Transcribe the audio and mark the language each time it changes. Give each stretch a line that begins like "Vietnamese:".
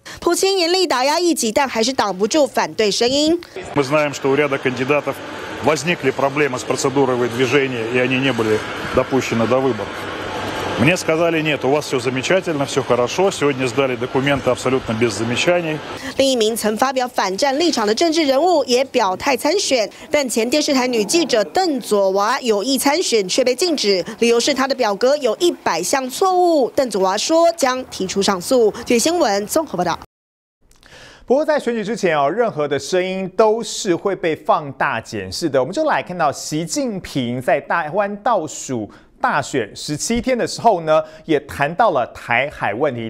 Chinese: 普京严厉打压异己，但还是挡不住反对声音。
Russian: Мы знаем, что у ряда кандидатов возникли проблемы с процедурой движения, и они не были допущены до выборов. Мне сказали, нет, у вас все замечательно, все хорошо, сегодня сдали документы абсолютно без замечаний.
Chinese: 另一名曾发表反战立场的政治人物也表态参选，但前电视台女记者邓佐娃有意参选却被禁止，理由是她的表格有100项错误。邓佐娃说将提出上诉。据新闻综合报道。不过在选举之前哦，任何的声音都是会被放大检视的。我们就来看到习近平在台湾倒数大选17天的时候呢，也谈到了台海问题。